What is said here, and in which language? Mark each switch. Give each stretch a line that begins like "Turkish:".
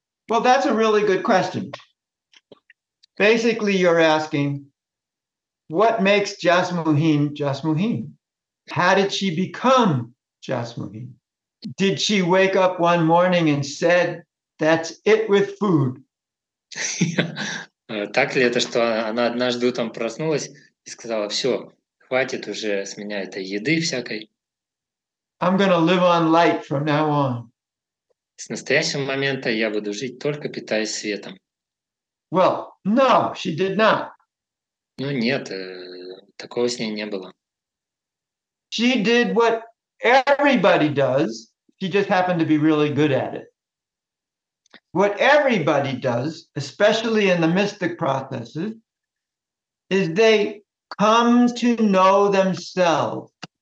English: Well, that's a really good question. Basically, you're asking, what makes Jasmuheen Jasmuheen? How did she become Jasmuheen? Did she wake up one morning and said, that's it with food?
Russian: Так ли это, что она однажды утром проснулась и сказала, все, хватит уже с меня этой еды всякой?
English: I'm going to live on light from now on.
Russian: С настоящего момента я буду жить только питаясь светом.
English: Well, no, she did not.
Russian: Ну нет, такого с ней не было.
English: She did what everybody does. She just happened to be really good at it. What everybody does, especially in the mystic processes, is they come to know themselves.